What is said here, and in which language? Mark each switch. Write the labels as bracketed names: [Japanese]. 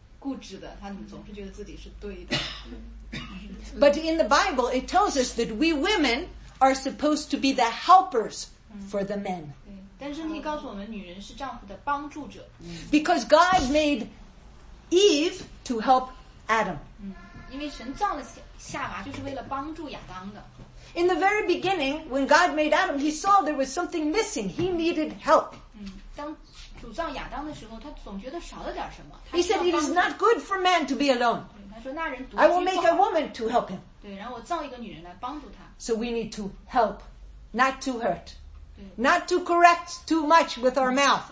[Chinese] 丽丽说她是男人是很固执的，她总是觉得自己是对的。 [English] But in the Bible, it tells us that we women are supposed to be the helpers for the men. [Chinese] 但是你告诉我们女人是丈夫的帮助者。 [English] Because God made Eve to help Adam. [Chinese] 因为神造了夏娃就是为了帮助亚当的。 [English] In the very beginning, when God made Adam, he saw there was something missing. He needed help. [Chinese] 当主造亚当的时候，他总觉得少了点什么。 [English] He said, it is not good for man to be alone. [Chinese] 他说那人独居不好。 [English] I will make a woman to help him. [Chinese] 对，然后我造一个女人来帮助他。 [English] So we need to help, not to hurt. Not to correct too much with our mouth.